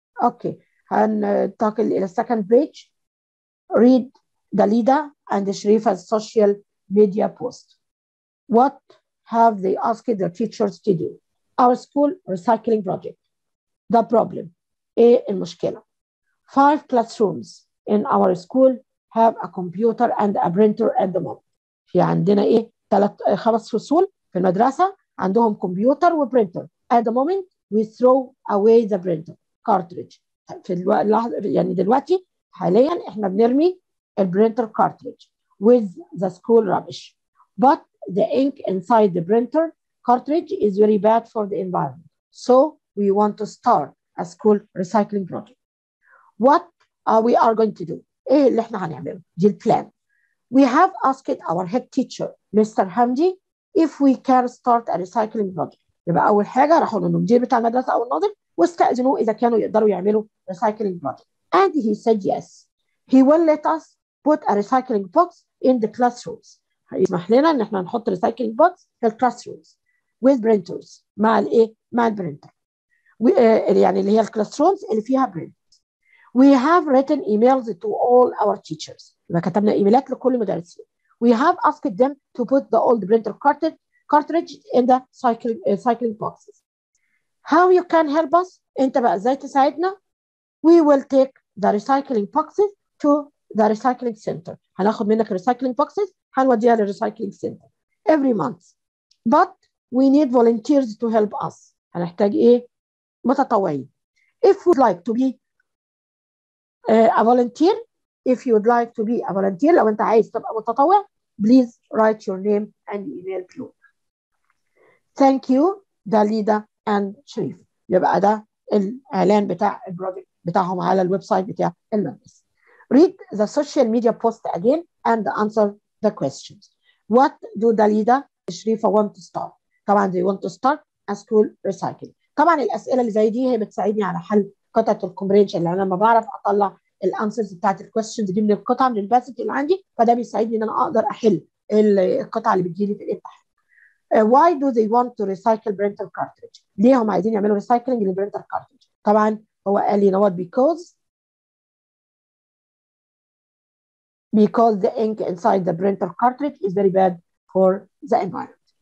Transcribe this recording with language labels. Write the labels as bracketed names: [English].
[English] Okay, [Arabic] هنتقل الى [English] second page. Read Dalida and Sharifa's social media post. What have they asked the teachers to do? Our school recycling project. The problem. A [Arabic] المشكلة. [English] Five classrooms in our school have a computer and a printer at the moment. [Arabic] في عندنا إيه؟ خمس فصول في المدرسة عندهم computer وprinter. [English] At the moment, we throw away the printer cartridge. [Arabic] في اللحظة يعني دلوقتي حاليا إحنا بنرمي البرينتر cartridge [English] with the school rubbish. But the ink inside the printer cartridge is very bad for the environment. So we want to start a school recycling project. What are we are going to do? [Arabic] إيه اللي إحنا هنعمله؟ دي البلان. [English] We have asked our head teacher, Mr. Hamdi, if we can start a recycling project. [Arabic] يبقى أول حاجة راحوا للمدير بتاع المدرسة أو الناظر واستأذنوا إذا كانوا يقدروا يعملوا recycling project. [English] And he said yes. He will let us put a recycling box in the classrooms. [Arabic] يسمح لنا ان احنا نحط ريسايكلينج بوكس في الكلاس رومز ويز برينترز مع الايه؟ مع البرينتر. يعني اللي هي الكلاس رومز اللي فيها برينترز. [English] We have written emails to all our teachers. [Arabic] يبقى كتبنا ايميلات لكل المدرسين. [English] We have asked them to put the old printer cartridge in the cycling boxes. How you can help us? [Arabic] انت بقى ازاي تساعدنا؟ [English] We will take the recycling boxes to the recycling center. [Arabic] هناخد منك recycling boxes. هنوديها للريسايكلينج سنتر [English] every month. But we need volunteers to help us. [Arabic] هنحتاج ايه؟ متطوعين. [English] If you'd like to be a volunteer, if you'd like to be a volunteer, [Arabic] لو انت عايز تبقى متطوع, [English] please write your name and email below. Thank you, Dalida and Sharif. [Arabic] يبقى ده الاعلان بتاع البروجكت بتاعهم على الويب سايت بتاع المدرسة. [English] Read the social media post again and answer the questions. What do Dalida and Sharifa want to start? [Arabic] طبعا [English] they want to start a school recycling. [Arabic] طبعا الأسئلة اللي زي دي هي بتساعدني على حل قطعة الكومبرينشن اللي أنا ما بعرف أطلع الأنسرز بتاعت الكويستشنز دي من القطعة من الباسيت اللي عندي فده بيساعدني إن أنا أقدر أحل القطعة اللي بتجيلي في الامتحان. [English] Why do they want to recycle printer cartridge? [Arabic] ليه هم عايزين يعملوا recycling للبرينتر كارتريج؟ طبعا هو قال لي [English] you know what because because the ink inside the printer cartridge is very bad for the environment.